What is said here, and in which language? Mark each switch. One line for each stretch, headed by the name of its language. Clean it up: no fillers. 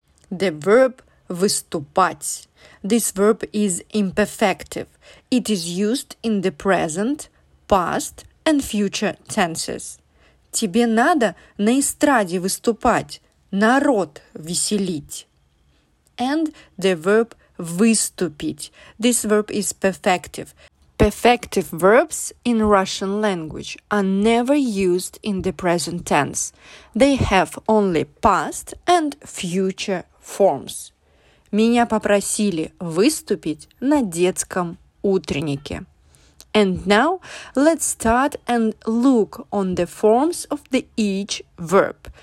English: The verb выступать. This verb is imperfective. It is used in the present, past and future tenses.
Russian: Тебе надо на эстраде выступать, народ веселить.
English: And the verb выступить. This verb is perfective. Perfective verbs in Russian language are never used in the present tense. They have only past and future forms.
Russian: Меня попросили выступить на детском утреннике.
English: And now, let's start and look on the forms of the each verb.